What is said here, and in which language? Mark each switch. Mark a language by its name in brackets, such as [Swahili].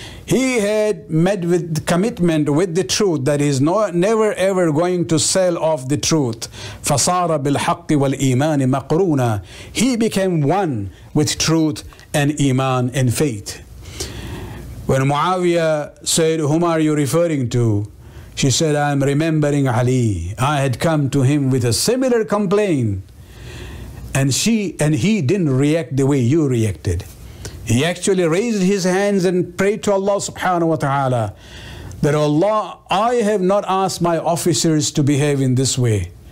[English] He had made with commitment with the truth that he's never ever going to sell off the truth. [Arabic] فصار بالحق والإيمان مقرونا. [English] He became one with truth and iman and faith. When Muawiyah said, whom are you referring to? She said, I am remembering Ali. I had come to him with a similar complaint. And he didn't react the way you reacted. He actually raised his hands and prayed to Allah subhanahu wa ta'ala that, Allah, I have not asked my officers to behave in this way.